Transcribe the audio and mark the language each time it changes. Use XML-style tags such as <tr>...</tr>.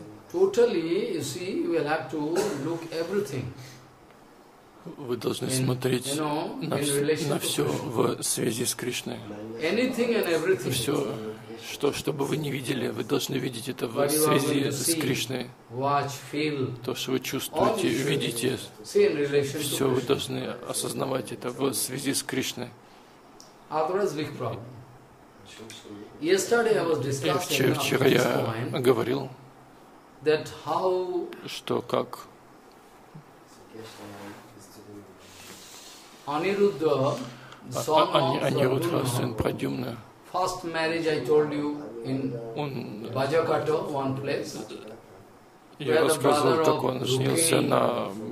<en>Totally, you see, you will have to look everything.</en> <ru>Вы должны смотреть на все в связи с Кришной.</ru> <en>Anything and everything.</en> <ru>Все, что бы вы не видели, вы должны видеть это в связи с Кришной.</ru> <en>Watch, feel.</en> <ru>То, что вы чувствуете, видите. Все вы должны осознавать это в связи с Кришной.</ru> <en>Otherwise, big problem. Yesterday I was discussing.</en> <ru>Вчера я говорил.</ru> <en>That how</en> <ru>что как</ru> <en>Aniruddha son of</en> <ru>Aniruddha сын Прадюмна.</ru> <en>First marriage I told you in Bajakato one place.</en> <ru>Я рассказывал, как он женился на</ru>